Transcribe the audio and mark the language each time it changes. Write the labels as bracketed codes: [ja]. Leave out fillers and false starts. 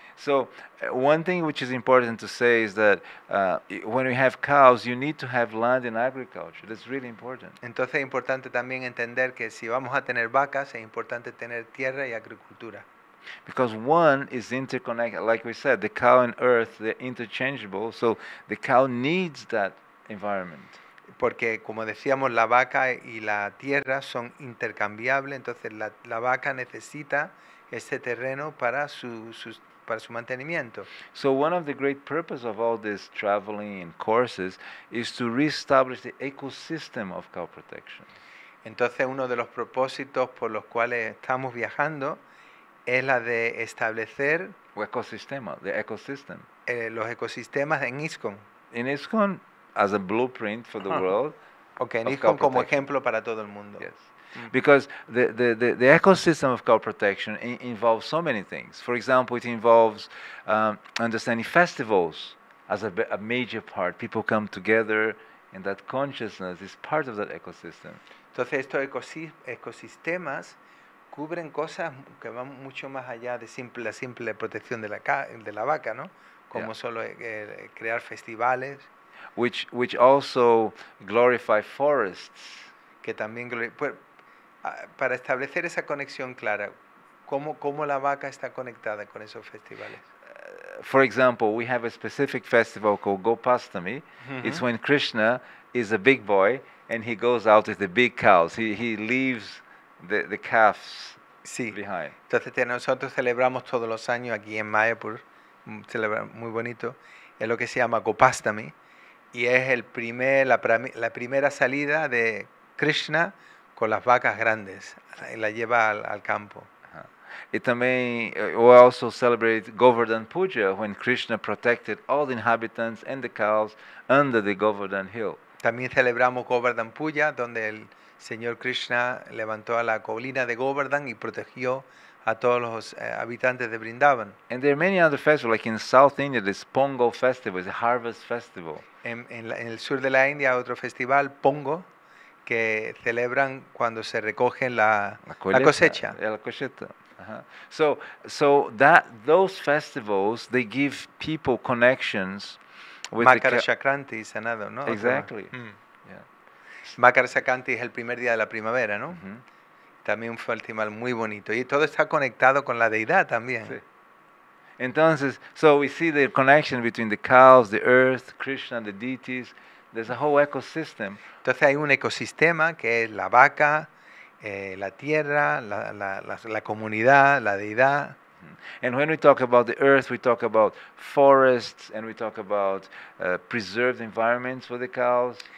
[en] So one thing which is important to say is that when you have cows, you need to have land in agriculture. That's really important. [es] Entonces es importante también entender que si vamos a tener vacas, es importante tener tierra y agricultura. [en] Because one is interconnected, like we said, the cow and earth, they're interchangeable, so the cow needs that environment. [es] Porque como decíamos, la vaca y la tierra son intercambiables, entonces la vaca necesita ese terreno para para su mantenimiento. [en] So one of the great purposes of all this traveling and courses is to reestablish the ecosystem of cow protection. [es] Entonces uno de los propósitos por los cuales estamos viajando es la de establecer los ecosistemas en ISKCON. [en] In ISKCON as a blueprint for the world. [es] Okay, en ISKCON como ejemplo para todo el mundo. [en] Yes. Because the ecosystem of cow protection involves so many things. For example, it involves understanding festivals as a major part. People come together, and that consciousness is part of that ecosystem. [es] Entonces, estos ecosistemas cubren cosas que van mucho más allá de la simple protección de la vaca, ¿no? Como yeah. Solo crear festivales. [en] Which also glorify forests. [es] Que también para establecer esa conexión clara, ¿cómo la vaca está conectada con esos festivales? [en] For example, we have a specific festival called Gopastami. Mm-hmm. It's when Krishna is a big boy and he goes out with the big cows. He leaves the calves [es] sí. [en] Behind. [es] Entonces nosotros celebramos todos los años aquí en Mayapur, celebramos muy bonito, es lo que se llama Gopastami y es la primera salida de Krishna con las vacas grandes, la lleva al campo. Uh-huh. [en] We also celebrate Govardhan Puja, when Krishna protected all the inhabitants and the cows under the Govardhan Hill. [es] También celebramos Govardhan Puja, donde el Señor Krishna levantó a la colina de Govardhan y protegió a todos los habitantes de Vrindavan. [en] And there are many other festivals, like in South India, this Pongo festival, the harvest festival. [es] En el sur de la India, otro festival, Pongo, que celebran cuando se recogen la cosecha. Uh-huh. [en] So that those festivals, they give people connections with [es] Makara Sankranti, sanado, ¿no? [en] Exactly. Mm. Yeah. [es] Makara Sankranti es el primer día de la primavera, ¿no? Uh-huh. También un festival muy bonito y todo está conectado con la deidad también. Sí. [en] Entonces, so we see the connection between the cows, the earth, Krishna, the deities. There's a whole ecosystem. [es] Entonces hay un ecosistema que es la vaca, la tierra, la comunidad, la deidad. [en] And when we talk about the earth, we talk about forests and we talk about preserved environments for the cows.